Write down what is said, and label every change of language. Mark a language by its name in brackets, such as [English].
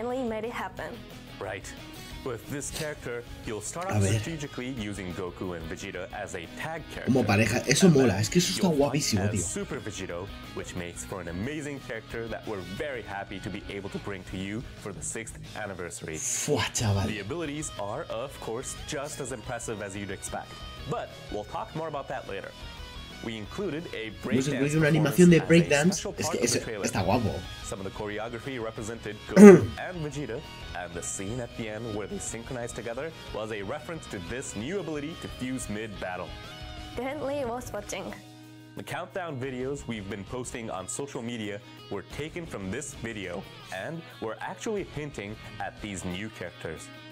[English] With this character, you'll start off strategically using Goku and Vegeta as a tag character. [Spanish] Como pareja, eso mola, es que eso está guapísimo, tío. [English] Super Vegito, which makes for an amazing character that we're very happy to be able to bring to you for the 6th anniversary. [Spanish] Fua, chaval. [English] The abilities are, of course, just as impressive as you'd expect. But we'll talk more about that later. We included a breakdance. [Spanish] Una animación de breakdance, es que es, está guapo. [English] Some of the choreography represented Goku and Vegeta, and the scene at the end where they synchronized together was a reference to this new ability to fuse mid battle. Currently, we're watching. The countdown videos we've been posting on social media were taken from this video and were actually hinting at these new characters.